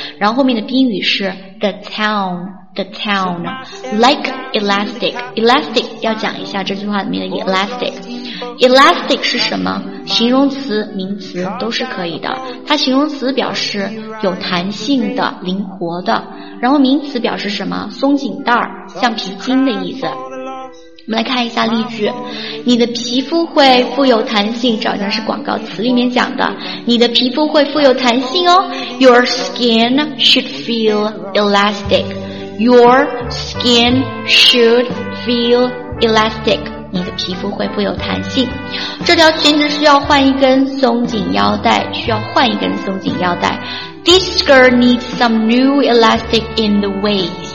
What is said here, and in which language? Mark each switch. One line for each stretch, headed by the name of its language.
Chinese: 然后后面的宾语是
English: the town like elastic
Chinese: 要讲一下这句话里面的 elastic 是什么，形容词名词都是可以的，它形容词表示有弹性的灵活的，然后名词表示什么，松紧带橡皮筋的意思。我们来看一下例句，你的皮肤会富有弹性，这好像是广告词里面讲的，你的皮肤会富有弹性哦。
English: Your skin should feel elasticYour skin should feel elastic.
Chinese: 你的皮肤会富有弹性。这条裙子需要换一根松紧腰带，需要换一根松紧腰带。
English: This skirt needs some new elastic in the waist.